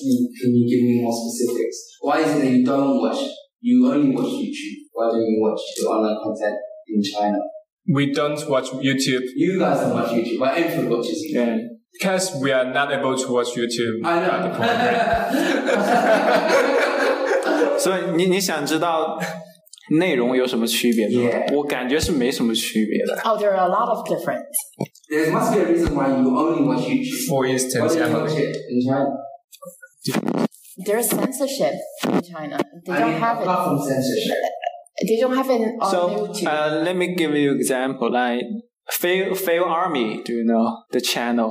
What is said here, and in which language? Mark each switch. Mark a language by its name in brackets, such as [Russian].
[English] Can you give me more specifics? Why is it that you only watch YouTube? Why don't you watch the online content in China? We don't watch YouTube. You guys don't watch YouTube, but everyone watches YouTube. Yeah. Because we are not able to watch YouTube. I know. At the point, right? [Chinese] 所以你想知道内容有什么区别吗？ [English] Yeah. [Chinese] 我感觉是没什么区别的。 [English] Oh, there are a lot of difference. There must be a reason why you only watch YouTube. For instance, why do you watch it in China? There is censorship in China. Apart from censorship. They don't have it on YouTube. So, let me give you an example. Like, Fail Army, do you know the channel?